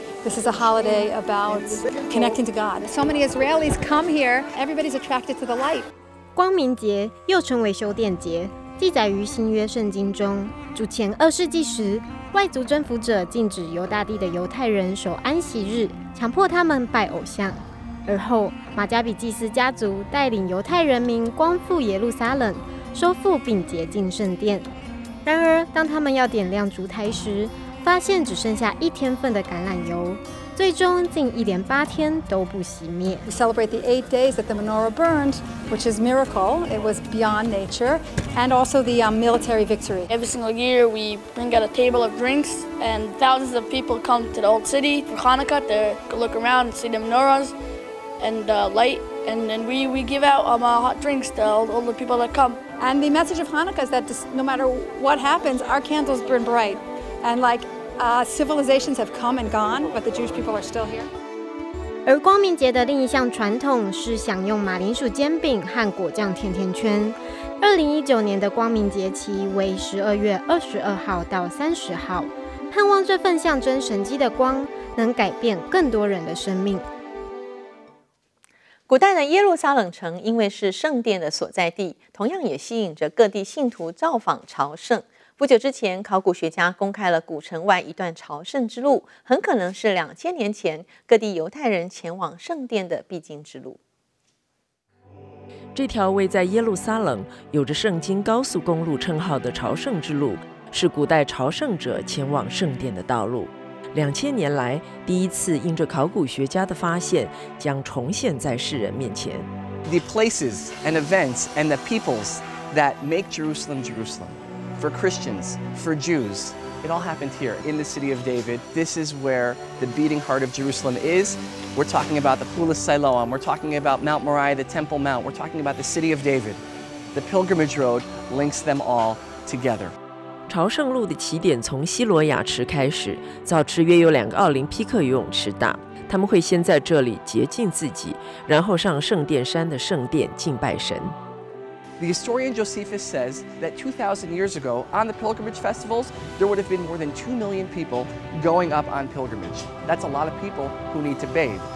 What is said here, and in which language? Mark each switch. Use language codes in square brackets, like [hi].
[en] This is a holiday about connecting to God. So many Israelis come here. Everybody's attracted to the light. [zh] 光明节又称为修殿节，记载于新约圣经中。主前2世纪时，外族征服者禁止犹大地的犹太人守安息日，强迫他们拜偶像。而后，马加比祭司家族带领犹太人民光复耶路撒冷，收复并洁净圣殿。然而，当他们要点亮烛台时，发现只剩下1天份的橄榄油，最终竟1连8天都不熄灭。 [en] We celebrate the 8 days that the menorah burned, which is a miracle. It was beyond nature, and also the military victory. Every single year, we bring out a table of drinks, and thousands of people come to the old city for Hanukkah to look around and see the menorahs, and light, and then we give out hot drinks to all the people that come. And the message of Hanukkah is that no matter what happens, our candles burn bright. And like civilizations have come and gone, but the Jewish people are still here. [zh] 而光明节的另一项传统是享用马铃薯煎饼和果酱甜甜圈。 2019年的光明节期为12月22号到30号，盼望这份象征神迹的光能改变更多人的生命。古代的耶路撒冷城因为是圣殿的所在地，同样也吸引着各地信徒造访朝圣。不久之前，考古学家公开了古城外一段朝圣之路，很可能是2000年前各地犹太人前往圣殿的必经之路。这条位在耶路撒冷、有着圣经高速公路称号的朝圣之路，是古代朝圣者前往圣殿的道路。 2000年来，第一次因着考古学家的发现，将重现在世人面前。 [en] The places and events and the peoples that make Jerusalem, Jerusalem, for Christians, for Jews, it all happened here in the city of David. This is where the beating heart of Jerusalem is. We're talking about the Pool of Siloam. We're talking about Mount Moriah, the Temple Mount. We're talking about the city of David. The pilgrimage road links them all together. [zh] 朝圣路的起点从希罗亚池开始，早池约有两个奥林匹克游泳池大，他们会先在这里洁净自己，然后上圣殿山的圣殿敬拜神。 [en] The historian Josephus says that 2,000 years ago on the pilgrimage festivals, there would have been more than 2 million people going up on pilgrimage. That's a lot of people who need to bathe.